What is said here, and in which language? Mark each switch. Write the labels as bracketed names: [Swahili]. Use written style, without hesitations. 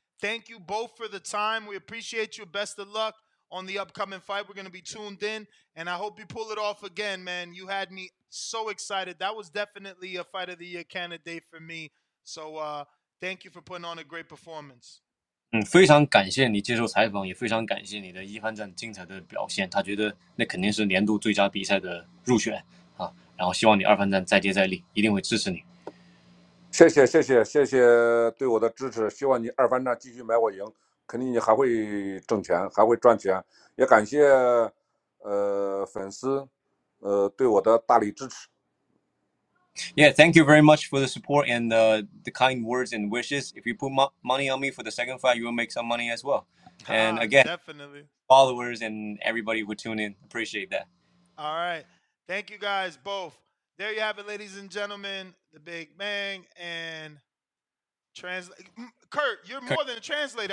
[English] Thank you both for the time. We appreciate you. Best of luck on the upcoming fight. We're going to be tuned in, and I hope you pull it off again, man. You had me so excited. That was definitely a fight of the year candidate for me. So thank you for putting on a great performance. [Chinese] 非常感谢你接受采访，也非常感谢你的一番战精彩的表现。他觉得那肯定是年度最佳比赛的入选啊。然后希望你二番战再接再厉，一定会支持你。谢谢谢谢谢谢对我的支持，希望你二番战继续买我赢。肯定你还会挣钱，还会赚钱，也感谢粉丝对我的大力支持。 [English] Yeah, thank you very much for the support and the kind words and wishes. If you put money on me for the second fight, you will make some money as well. And again, definitely followers and everybody who tune in, appreciate that. All right, thank you guys both. There you have it, ladies and gentlemen, the Big Bang and Kurt, you're more than a translator.